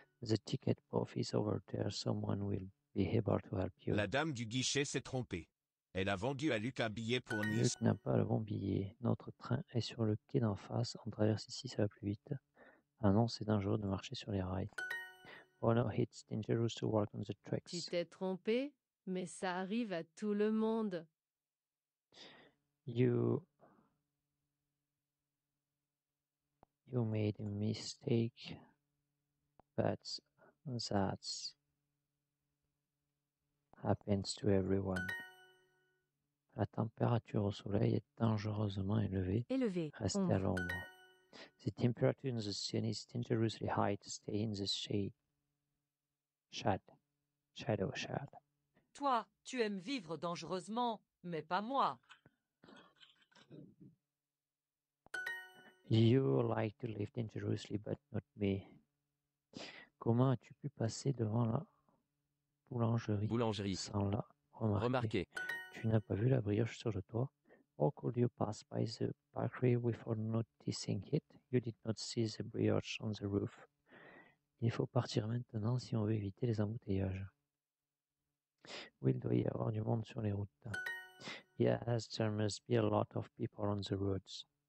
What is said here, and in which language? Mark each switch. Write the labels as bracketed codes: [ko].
[en] The ticket office over there. Someone will be able to help you. [fr] La dame du guichet s'est trompée. Elle a vendu à Luc un billet pour Nice. Luc n'a pas le bon billet. Notre train est sur le quai d'en face. On traverse ici, ça va plus vite. Ah non, c'est dangereux de marcher sur les rails. [en] Oh no, it's dangerous to walk on the tracks. [fr] Tu t'es trompé? Mais ça arrive à tout le monde. [en] You made a mistake, but that happens to everyone. [fr] La température au soleil est dangereusement élevée. Restez à l'ombre. [en] The temperature in the sun is dangerously high. Stay in the shade. Shadow. [fr] Toi, tu aimes vivre dangereusement, mais pas moi. [en] You like to live dangerously, but not me. [fr] Comment as-tu pu passer devant la boulangerie sans la remarquer? Tu n'as pas vu la brioche sur le toit? [en] How could you pass by the bakery without noticing it? You did not see the brioche on the roof. [fr] Il faut partir maintenant si on veut éviter les embouteillages. Oui, il doit y avoir du monde sur les routes. [en] Yes, there must be a lot of people on the roads.